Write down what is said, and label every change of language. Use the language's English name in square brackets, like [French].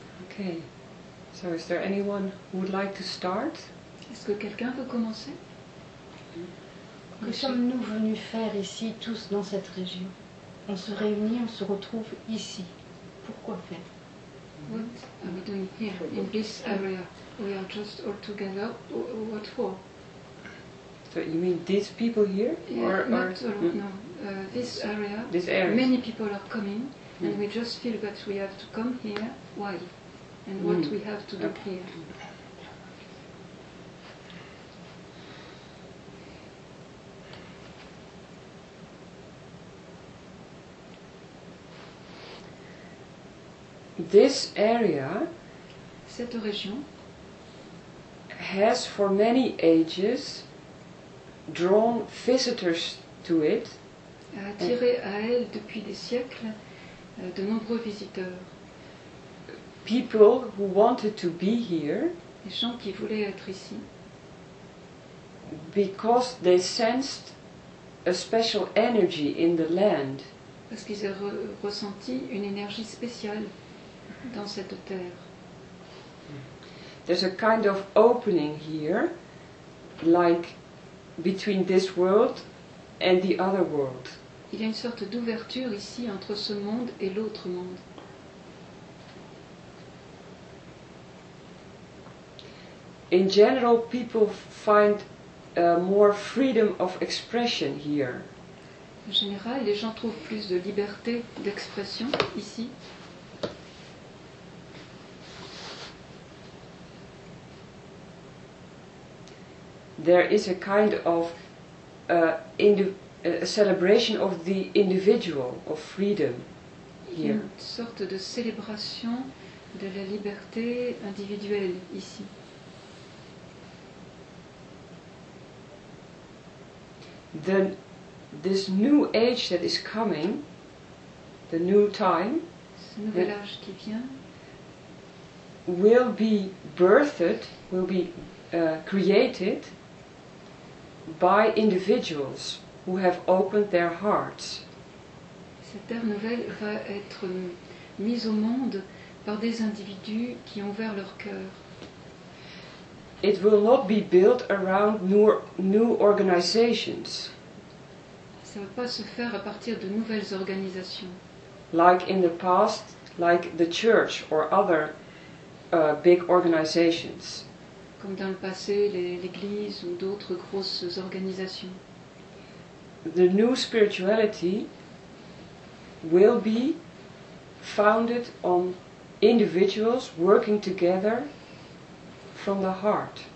[English] Okay. So is there anyone who would like to start? [French] Est-ce que quelqu'un veut commencer? Que sommes-nous venus faire ici, tous dans cette région? On se réunit, on se retrouve ici. Pourquoi faire? [English] What are we doing here, in this area? We are just all together. What for? So you mean these people here? Yeah, this area. This area. Many people are coming, and we just feel that we have to come here. Why? And what we have to do here? This area, [French] cette région, [English] has for many ages drawn visitors to it. [French] A attiré à elle depuis des siècles de nombreux visiteurs. [English] People who wanted to be here, [French] les gens qui voulaient être ici, [English] because they sensed a special energy in the land. [French] Parce qu'ils avaient ressenti une énergie spéciale dans cette terre. [English] There's a kind of opening here, like between this world and the other world. [French] Il y a une sorte d'ouverture ici entre ce monde et l'autre monde. [English] In general, people find more freedom of expression here. [French] En général, les gens trouvent plus de liberté d'expression ici. [English] There is a kind of a celebration of the individual, of freedom here. [French] Une sorte de célébration de la liberté individuelle ici. [English] Then this new age that is coming, the new time, [French] ce nouvel âge qui vient, [English] will be birthed, will be created by individuals who have opened their hearts. [French] Cette ère nouvelle va être mise au monde par des individus qui ont ouvert leur cœur. [English] It will not be built around new organizations. [French] Ça ne va pas se faire à partir de nouvelles organisations. [English] Like in the past, like the church or other big organizations. [French] Comme dans le passé, l'église ou d'autres grosses organisations. [English] The new spirituality will be founded on individuals working together from the heart.